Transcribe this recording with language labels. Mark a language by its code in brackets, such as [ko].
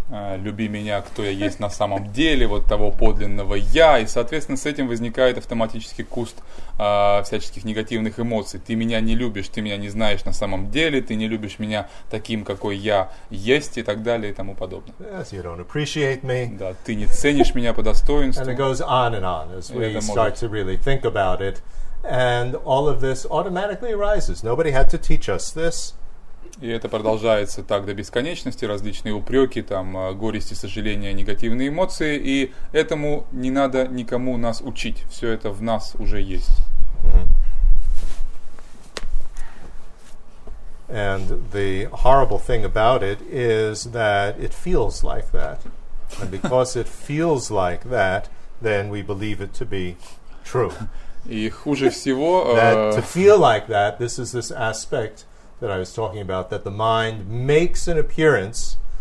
[ru] Люби меня, кто я есть на самом деле, вот того подлинного я. И, соответственно, с этим возникает автоматический куст всяческих негативных эмоций. Ты меня не любишь, ты меня не знаешь на самом деле, ты не любишь меня таким, какой я есть, и так далее, и тому подобное. [en] Yes, you don't appreciate me. [ru] Да, ты не ценишь меня по достоинству. [en] And it goes on and on as we start to really think about it. And all of this automatically arises. Nobody had to teach us this. [ru] И это продолжается так до бесконечности, различные упреки, там, горести, сожаления, негативные эмоции, и этому не надо никому нас учить, все это в нас уже есть. [en] And the horrible thing about it is that it feels like that, and because it feels like that, then we believe it to be true. [ru] И хуже всего... [en] That to feel like that, this is this aspect... that I was talking about, that the mind makes an appearance.